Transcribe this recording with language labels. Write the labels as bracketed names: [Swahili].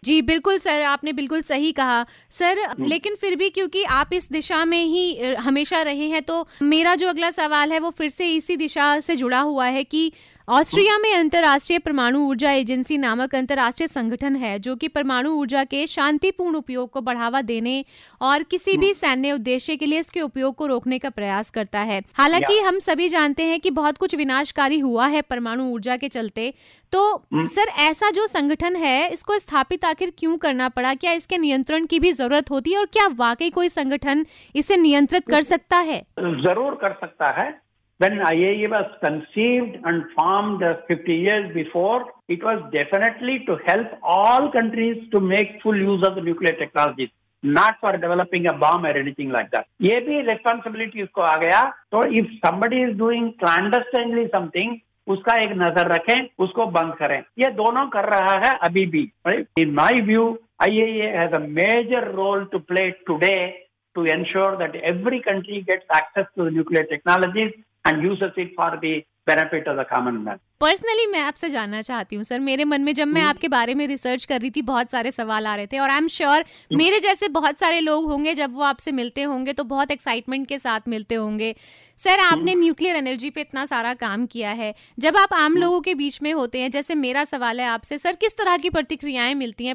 [Hindi] जी बिल्कुल सर, आपने बिल्कुल सही कहा सर। लेकिन फिर भी क्योंकि आप इस दिशा में ही हमेशा रहे हैं, तो मेरा जो अगला सवाल है वो फिर से इसी दिशा से जुड़ा हुआ है कि ऑस्ट्रिया में अंतर्राष्ट्रीय परमाणु ऊर्जा एजेंसी नामक अंतर्राष्ट्रीय संगठन है जो कि परमाणु ऊर्जा के शांतिपूर्ण उपयोग को बढ़ावा देने और किसी भी सैन्य उद्देश्य के लिए इसके उपयोग को रोकने का प्रयास करता है। हालांकि हम सभी जानते हैं कि बहुत कुछ विनाशकारी हुआ है परमाणु ऊर्जा के चलते, तो सर ऐसा जो संगठन है इसको स्थापित आखिर क्यों करना पड़ा, क्या इसके नियंत्रण की भी जरूरत होती है और क्या वाकई कोई संगठन इसे नियंत्रित कर सकता है? जरूर कर सकता है। [English] When IAEA was conceived and formed 50 years before, it was definitely to help all countries to make full use of the nuclear technologies, not for developing a bomb or anything like that. [Hindi] ये भी responsibility इसको आ गया। तो if somebody is doing clandestinely something, उसका एक नजर रखें, उसको बंद करें। ये दोनों कर रहा है अभी भी। Right? [English] In my view, IAEA has a major role to play today to ensure that every country gets access to the nuclear technologies and uses it for the benefit of the common man. [Hindi] Personally मैं आपसे जानना चाहती हूँ sir, मेरे मन में जब मैं आपके बारे में रिसर्च कर रही थी बहुत सारे सवाल आ रहे थे और आई एम श्योर मेरे जैसे बहुत सारे लोग होंगे जब वो आपसे मिलते होंगे तो बहुत एक्साइटमेंट के साथ मिलते होंगे। सर आपने न्यूक्लियर एनर्जी पे इतना सारा काम किया है, जब आप आम लोगों के बीच में होते हैं जैसे मेरा सवाल है आपसे सर, किस तरह की प्रतिक्रियाएं मिलती हैं?